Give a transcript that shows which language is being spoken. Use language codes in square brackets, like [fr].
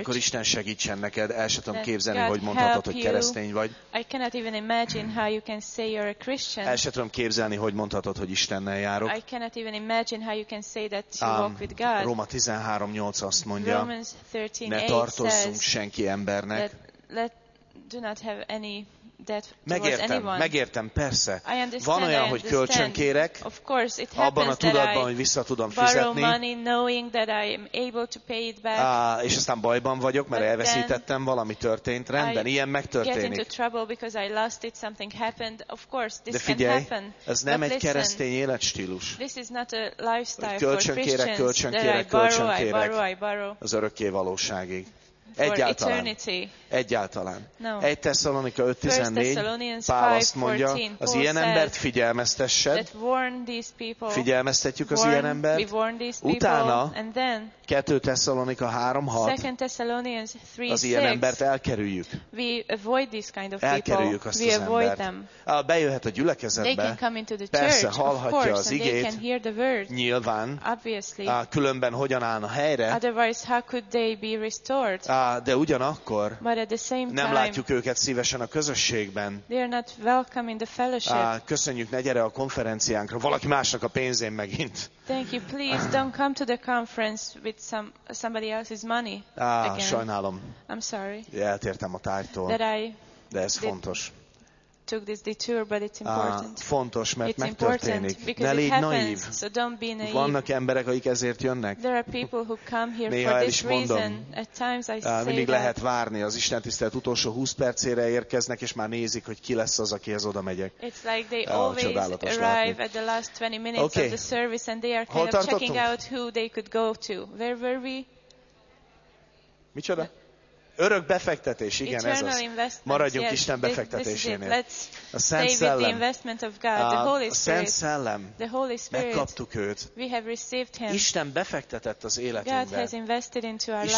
[hu] akkor Isten segítsen neked, el se tudom képzelni, hogy mondhatod, hogy keresztény vagy. [en] I cannot even imagine how you can say you're a Christian. [hu] El se tudom képzelni, hogy mondhatod, hogy Istennel járok. [en] I cannot even imagine how you can say that you walk with God. [hu] Róma 13:8 azt mondja, [en] Romans 13:8 [hu] ne tartozzunk senki embernek. [en] Do not have any [hu] megértem, [en] anyone. [hu] Megértem, persze. Van olyan, hogy kölcsön kérek, [en] of course, it [hu] abban a tudatban, hogy vissza tudom fizetni, [en] money, knowing that I am able to pay it back. [hu] És aztán bajban vagyok, mert [en] but [hu] elveszítettem, valami történt, rendben, [en] I [hu] ilyen megtörténik. [en] Get into trouble because I lost it, something happened. Of course, this [hu] de figyelj, [en] can happen. [hu] Ez nem [en] but [hu] egy [en] listen, [hu] keresztény életstílus. [en] This is not a lifestyle [hu] kölcsön kérek, [en] for [hu] kölcsön kérek, [en] that I borrow, [hu] kölcsön kérek, [en] I borrow, I borrow. [hu] Az örökké valóságig. [en] For [hu] egyáltalán. [en] Eternity. [hu] Egyáltalán. [en] No. 1 Thessalonica 5:14. [hu] Pál azt mondja, az ilyen embert figyelmeztessed. Figyelmeztetjük az ilyen embert. Utána 2 Thessalonica 3:6. Az ilyen embert elkerüljük. [en] We avoid these kind of people. [hu] Elkerüljük azt [en] we [hu] az embert. Bejöhet a gyülekezetbe. [en] They can come into the church, [hu] persze, hallhatja [en] course, [hu] az igét. Nyilván. [en] Obviously. [hu] Különben hogyan állna helyre. [en] Otherwise, how could they be restored? [hu] De ugyanakkor [en] time, [hu] nem látjuk őket szívesen a közösségben. [en] They are not welcome in the fellowship. [hu] Köszönjük, ne gyere a konferenciánkra. Valaki másnak a pénzén megint. [en] Thank you, please don't come to the conference with somebody else's money. [hu] Sajnálom. [en] I'm sorry. [hu] Eltértem a tárgytól. De ez fontos. [en] Took this detour, but it's important. [hu] Fontos, mert [en] it's [hu] megtörténik. [en] Important because [hu] ne légy naív. [en] So don't be naive. [hu] Vannak emberek, akik ezért jönnek. [en] There are people who come here [hu] néha [en] for this [hu] mondom, [en] reason. At times I [hu] mindig lehet [en] that [hu] várni. Az istentisztelet utolsó 20 percére érkeznek, és már nézik, hogy ki lesz az, akihez oda megyek. [en] It's like they always arrive at the last 20 minutes okay of the service, and they are kind of checking out who they could go to. Where were we? [hu] Micsoda? Örök befektetés, igen, ez az. Maradjunk [en] yes, [hu] Isten befektetésénél. A Szent Szellem. A Szent Szellem. Megkaptuk őt. [en] We have received him. [hu] Isten befektetett az életünkbe. [en] God has invested into our lives.